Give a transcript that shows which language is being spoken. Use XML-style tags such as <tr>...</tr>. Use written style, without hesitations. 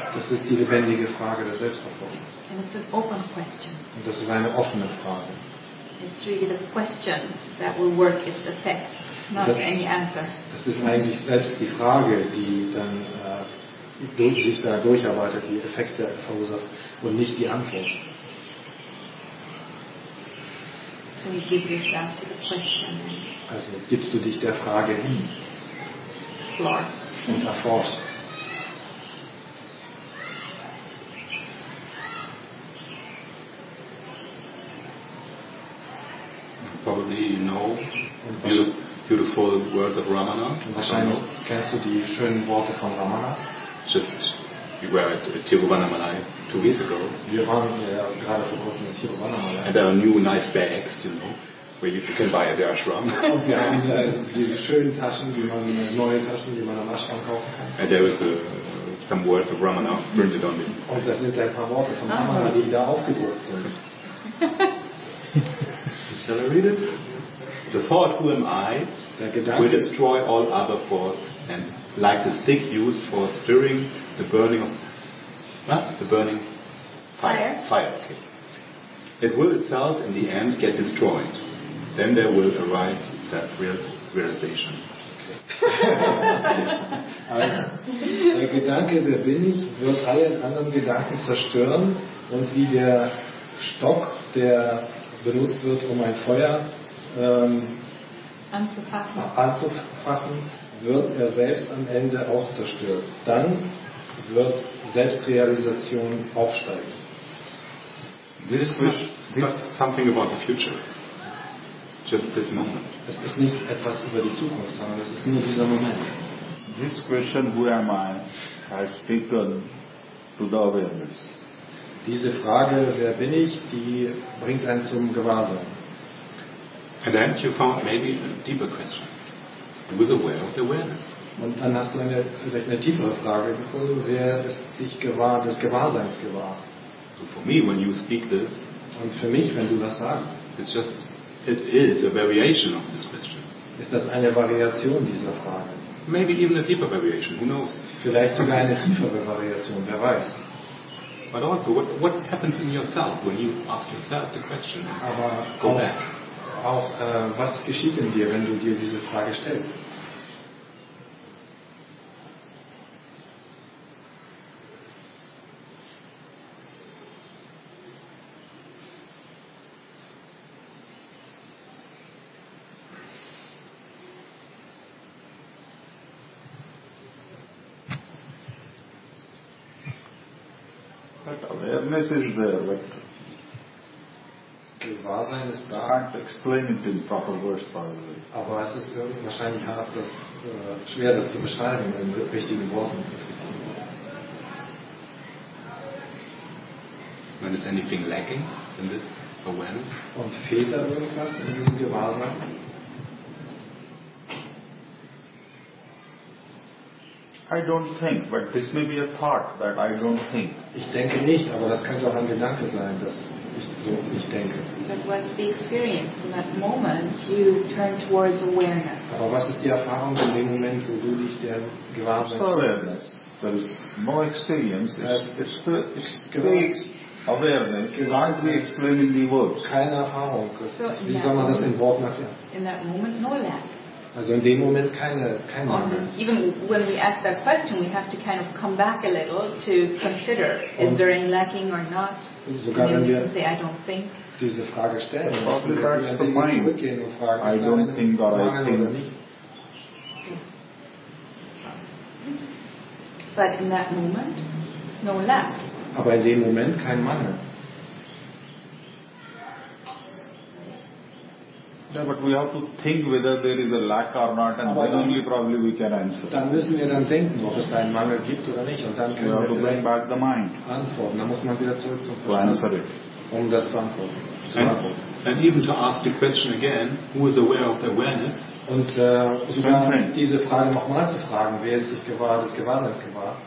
<de>Das ist die lebendige Frage der Selbsterforschung.</de> <en>And it's an open question.</en> <de>Und das ist eine offene Frage.</de> <en>It's really the question that will work its effect, not</en> <de>das,</de> <en>any answer.</en> <de>Das ist eigentlich selbst die Frage, die dann sich da durcharbeitet, die Effekte verursacht und nicht die Antwort.</de> <en>So you give yourself to the question.</en> <de>Also gibst du dich der Frage hin.</de> <en>Explore.</en> <de>Und erforschst.</de> <en>Probably you know. beautiful words of Ramana.</en> <de>Wahrscheinlich kennst du die schönen Worte von Ramana.</de> <en>Just you were at Tiruvannamalai 2 weeks ago.</en> <de>Wir waren gerade vor kurzem in Tiruvannamalai.</de> <en>And there are new nice bags, you know, where you can buy at the ashram.</en> <de>Diese schönen Taschen, die man neue Taschen, die man am Ashram kaufen kann.</de> <en>And there was some words of Ramana printed on it.</en> <de>Und das sind ein paar Worte von Ramana, die da aufgedruckt sind.</de> <en>Shall I read it? The thought who am I will destroy all other thoughts and like the stick used for stirring the burning of the burning fire. It will itself in the end get destroyed. Then there will arise self-realization.</en> <de>Also, der Gedanke, wer bin ich, wird alle anderen Gedanken zerstören und wie der Stock, der benutzt wird, um ein Feuer anzufachen, wird er selbst am Ende auch zerstört. Dann wird Selbstrealisation aufsteigen.</de> <en>This is something about the future. Just this moment.</en> <de>Es ist nicht etwas über die Zukunft, sondern es ist nur dieser Moment.</de> <en>This question, who am I, has taken to the awareness.</en> <de>Diese Frage, wer bin ich, die bringt einen zum Gewahrsein.</de> <en>And then you found maybe a deeper question. Who is aware of the awareness?</en> <de>Und dann hast du vielleicht eine tiefere Frage gefunden, wer ist sich des Gewahrseins gewahr?</de> <en>So for me, when you speak this,</en> <de>und für mich, wenn du das sagst,</de> <en>it's just, it is a variation of this question.</en> <de>Ist das eine Variation dieser Frage?</de> <en>Maybe even a deeper variation, who knows?</en> <de>Vielleicht sogar eine tiefere Variation, wer weiß.</de> <en>But also, what happens in yourself when you ask yourself the question?</en> <de>Aber</de> <en>go back.</en> <de>Auch was geschieht in dir, wenn du dir diese Frage stellst?</de> <en>Awareness is there, but</en> <de>Gewahrsein ist da.</de> <en>Can't explain it in proper words, by the way.</en> <de>Aber es ist wahrscheinlich hart, das schwer, das zu beschreiben in richtigen Worten.</de> <en>When is anything lacking in this awareness?</en> <de>Und fehlt da irgendwas in diesem Gewahrsein?</de> <en>I don't think, but this may be a thought that I don't think.</en> <de>Ich denke nicht, aber das könnte auch ein Gedanke sein, dass ich so nicht denke.</de> <en>But what's the experience in that moment you turn towards awareness?</en> <de>Aber was ist die Erfahrung in dem Moment, wo du dich der Gewahrsein?</de> <en>It's awareness. There is no experience. It's awareness. Why do we explain in the words?</en> <de>Keine Erfahrung. Wie soll man das in Worten erklären?</de> <en>In that moment, no lack.</en> <de>Also in dem Moment kein Mangel.</de> <en>Even when we ask that question, we have to kind of come back a little to consider, is there any lacking or not?</en> <de>Sogar wenn wir</de> <en>say, I don't think.</en> <de>Diese Frage stellen, müssen wir ein bisschen zurückgehen und fragen,</de> <en>I don't think or I think.</en> <de>Oder nicht.</de> <en>But in that moment, no lack.</en> <de>Aber in dem Moment kein Mangel.</de> <en>Yeah, but we have to think whether there is a lack or not, and then only probably we can answer.</en> <de>Dann müssen wir dann denken, ob es da einen Mangel gibt oder nicht, und dann können wir</de> <en>to bring back the mind.</en> <de>Antworten. Dann muss man wieder zurück zum Verstand.</de> <en>To answer it.</en> <de>Um das zu antworten.</de> <en>And even to ask the question again, who is aware of the awareness?</en> <de>Und sogar diese Frage nochmal zu fragen, wer ist sich gewahr, des Gewahrseins gewahr?</de>